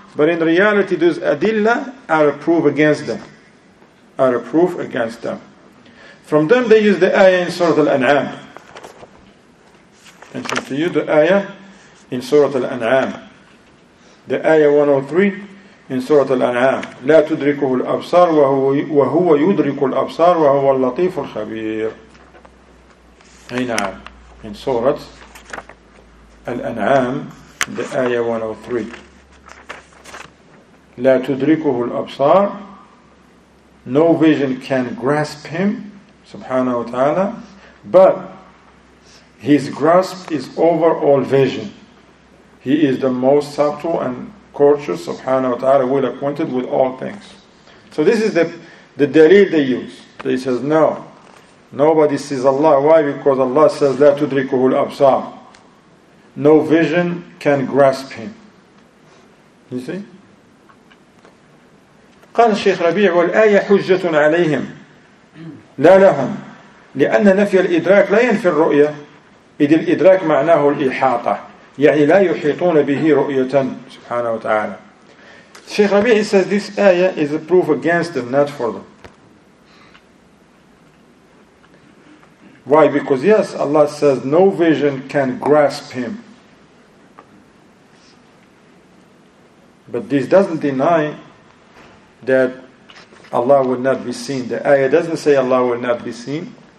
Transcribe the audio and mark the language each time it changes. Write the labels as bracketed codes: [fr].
[en] But in reality, those adilla are a proof against them. Are a proof against them. From them, they use the ayah in Surah Al-An'am. And to you, the ayah in Surah Al-An'am. The ayah 103 in Surah Al-An'am. [ar] لا تدركه الأبصار وهو يدرك الأبصار وهو اللطيف الخبير. نعم. [en] In Surah Al-An'am, the ayah 103. [ar] لا تدركه الأبصار. [en] No vision can grasp him, subhanahu wa ta'ala, but his grasp is over all vision. He is the most subtle and courteous, subhanahu wa ta'ala, well acquainted with all things. So this is the dalil they use. They says, no. Nobody sees Allah. Why? Because Allah says, [ar] لا تدركه الأبصار. [en] No vision can grasp him. You see? [ar] قال الشيخ ربيع والآية حجة عليهم لا لهم لأن نفي الإدراك لا ينفي الرؤية إذ الإدراك معناه الإحاطة يعني لا يحيطون به رؤية سبحانه وتعالى. [en] الشيخ ربيع says this ayah is a proof against them, not for them. Why? Because yes, Allah says no vision can grasp him. But this doesn't deny that Allah will not be seen. The ayah doesn't say Allah will not be seen.